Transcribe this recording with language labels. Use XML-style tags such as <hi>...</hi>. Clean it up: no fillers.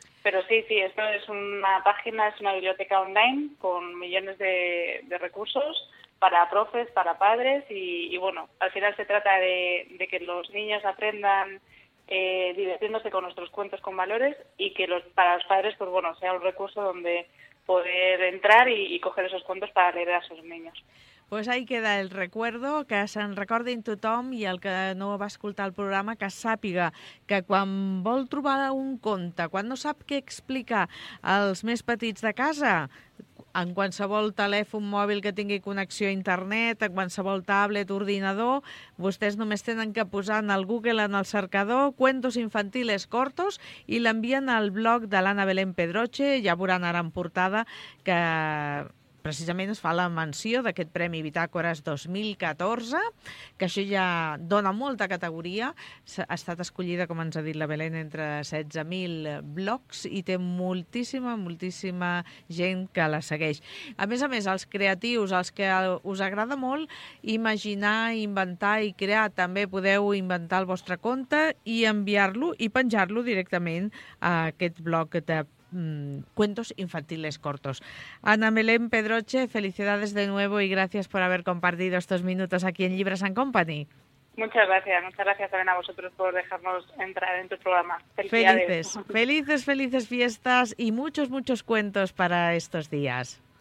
<es>Pero sí, sí, esto es una página, es una biblioteca online con millones de recursos para profes, para padres, y bueno, al final se trata de que los niños aprendan divirtiéndose con nuestros cuentos con valores, y que para los padres pues bueno sea un recurso donde poder entrar y coger esos cuentos para leer a sus niños.</es> <ca>Pues ahí queda el recuerdo, que se'n recordin tothom, i el que no va escoltar el programa, que sàpiga que quan vol trobar un conte, quan no sap què explicar als més petits de casa, en qualsevol telèfon mòbil que tingui connexió a internet, en qualsevol tablet, ordinador, vostès només tenen que posar en el Google, en el cercador, cuentos infantiles cortos, i l'envien al blog de l'Anna Belén Pedroche. Ja veuran ara en portada que precisament es fa la menció d'aquest Premi Bitàcores 2014, que això ja dona molta categoria. Ha estat escollida, com ens ha dit la Belén, entre 16.000 blogs i té moltíssima, moltíssima gent que la segueix. A més, els creatius, els que us agrada molt imaginar, inventar i crear, també podeu inventar el vostre compte i enviar-lo i penjar-lo directament a aquest blog de Cuentos Infantiles Cortos.</ca> <es>Anna Belén Pedroche, felicidades de nuevo y gracias por haber compartido estos minutos aquí en Libras and Company. Muchas gracias también a vosotros por dejarnos entrar en tu programa. Felices, felices, felices fiestas y muchos, muchos cuentos para estos días.</es>